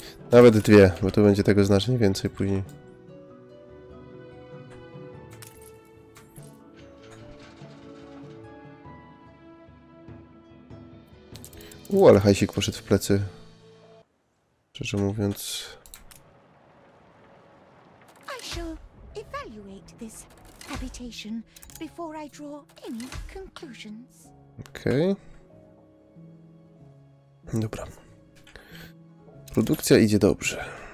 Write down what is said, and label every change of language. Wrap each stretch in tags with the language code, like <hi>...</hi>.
<pl>Nawet dwie, bo to będzie tego znacznie więcej później. Ale hajsik poszedł w plecy. Szczerze mówiąc.</pl> <en>I shall evaluate this habitation before I draw any conclusions.</en> <pl>Okej. Dobra. Produkcja idzie dobrze.</pl>